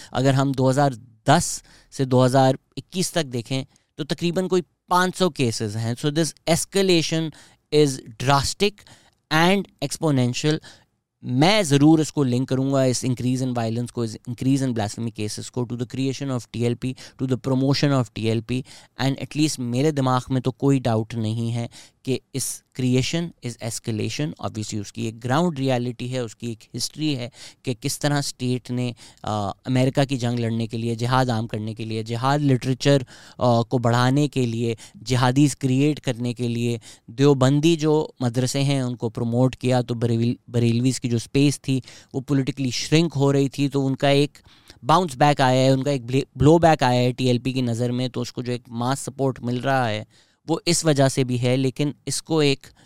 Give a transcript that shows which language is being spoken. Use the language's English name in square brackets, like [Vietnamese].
[Urdu] اگر ہم 2010 سے 2021 تک دیکھیں تو تقریباً کوئی 500 کیسز ہیں. [English] So this escalation is drastic and exponential. [Urdu] میں ضرور اس کو لنک کروں گا, [English] اس increase in violence [Urdu] کو, [English] اس increase in blasphemy cases [Urdu] کو, [English] to the creation of T L P, [Urdu] to the promotion of T L P. [English] and at least [Urdu] میرے دماغ میں تو کوئی ڈاؤٹ نہیں ہے کہ [English] اس creation is escalation. [Urdu] آبویسلی اس کی ایک گراؤنڈ ریالٹی ہے, اس کی ایک ہسٹری ہے کہ کس طرح اسٹیٹ نے امریکہ کی جنگ لڑنے کے لیے, جہاد عام کرنے کے لیے, جہاد لٹریچر کو بڑھانے کے لیے, جہادیز کریٹ کرنے کے لیے, دیوبندی جو مدرسے ہیں ان کو پروموٹ کیا, تو بریلویز کی جو اسپیس تھی وہ پولیٹیکلی شرنک ہو رہی تھی, تو ان کا ایک باؤنس بیک آیا ہے, ان کا ایک بلو بیک آیا ہے ٹی ایل پی کی نظر میں. تو اس کو جو ایک ماس سپورٹ مل رہا ہے وہ اس وجہ سے بھی ہے, لیکن اس کو ایک